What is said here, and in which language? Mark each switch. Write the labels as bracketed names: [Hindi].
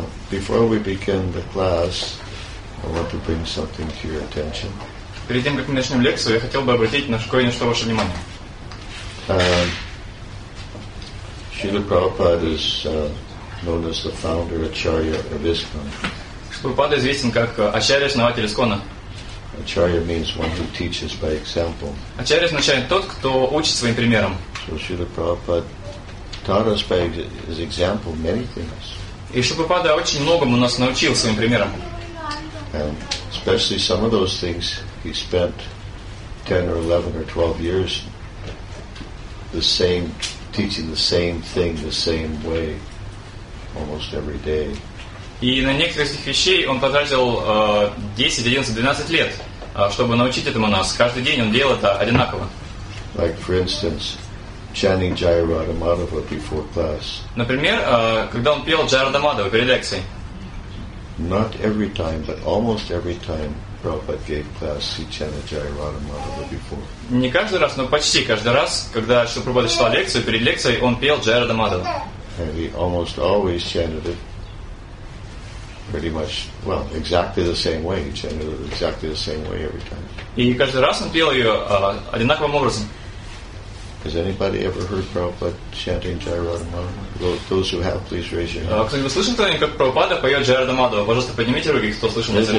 [English] Before we begin the class, I want to bring something to your attention. [Russian] Перед тем, как мы начнем лекцию, я хотел бы обратить на кое-что ваше внимание. [English] Srila Prabhupada is known as the founder Acharya of ISKCON. [Russian] Прабхупада известен как Ачарья, основатель ИСККОНа. [English] Acharya means one who teaches by example. [Russian] Ачарья означает тот, кто учит своим примером. [English] So Srila Prabhupada taught us by his example many things. [Russian] И Шупапада очень многому нас научил своим примером. [English] And especially some of those things he spent 10 or 11 or 12 years the same teaching the same thing the same way almost every day. [Russian] И на некоторых этих вещей он потратил 10, 11, 12 лет, чтобы научить этому нас. Каждый день он делал это одинаково. [English] Like, for instance, chanting Jai Radha Madhava before class. [Russian] Например, когда он пел Джай Радха Мадхава перед лекцией. [English] Not every time, but almost every time Prabhupada gave class, he chanted Jai Radha Madhava before. [Russian] Не каждый раз, но почти каждый раз, когда Шрила Прабхупада читал лекцию, перед лекцией он пел Джай Радха Мадхава. [English] And he almost always chanted it. Pretty much, well, exactly the same way. He chanted it exactly the same way every time. [Russian] И каждый раз он пел ее одинаковым образом. [English] Has anybody ever heard Prabhupada chanting Jai Radha Madhava? Those who have, please raise your hand. [Russian] Кто-нибудь слышал когда-нибудь, как Прабхупада поет Джай Радха Мадхава? Пожалуйста, поднимите руки, кто слышал.